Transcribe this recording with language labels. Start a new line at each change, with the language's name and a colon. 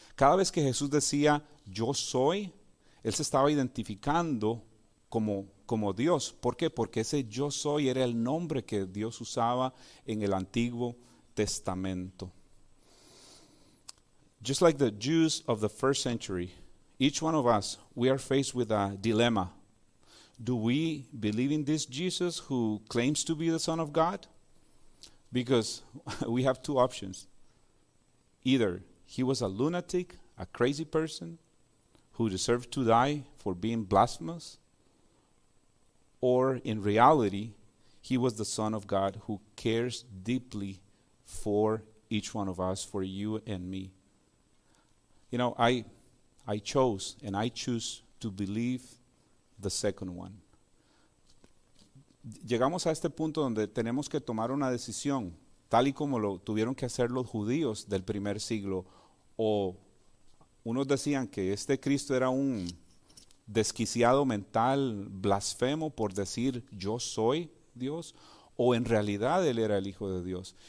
Spanish: Cada vez que Jesús decía, yo soy, él se estaba identificando como Dios. ¿Por qué? Porque ese yo soy era el nombre que Dios usaba en el Antiguo Testamento.
English: Just like the Jews of the first century, each one of us, we are faced with a dilemma. Do we believe in this Jesus who claims to be the Son of God? Because we have two options. Either he was a lunatic, a crazy person, who deserved to die for being blasphemous, or in reality, he was the Son of God who cares deeply for each one of us, for you and me. You know, I chose and I choose to believe the second one.
Spanish: Llegamos a este punto donde tenemos que tomar una decisión, tal y como lo tuvieron que hacer los judíos del primer siglo, o unos decían que este Cristo era un desquiciado mental, blasfemo por decir yo soy Dios, o en realidad él era el Hijo de Dios.